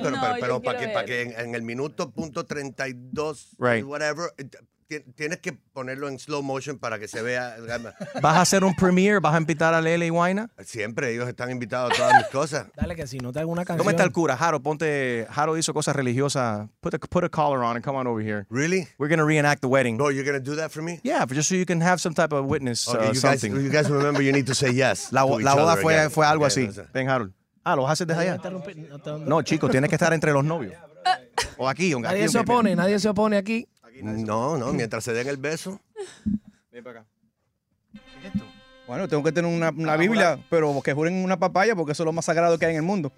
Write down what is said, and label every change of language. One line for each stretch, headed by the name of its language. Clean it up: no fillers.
Spanish: pero para que en el minuto punto 32,
English: right. Whatever,
Spanish: tienes que ponerlo en slow motion para que se vea. ¿Vas a hacer un premiere? ¿Vas a invitar a Lele y Wayna? Siempre, ellos están invitados a todas mis cosas. Dale, que si no te hago una canción. ¿Cómo está el cura? Jaro hizo cosas religiosas.
English: Put a collar on and come on over here. Really? We're going to reenact the wedding. Bro, you're going to do that for me? Yeah, just so you can have some type of witness. Okay, something. Guys, you guys remember you need to say yes.
Spanish: La boda fue algo así. Ven, Jaro. Ah, ¿lo vas a hacer desde allá? No, chico, tienes que estar entre los novios. O aquí, un gatito. Nadie se opone aquí. No, mientras se den el beso. Ven para acá. ¿Qué es esto? Bueno, tengo que tener una Biblia, pero que juren una papaya porque eso es lo más sagrado que hay en el mundo.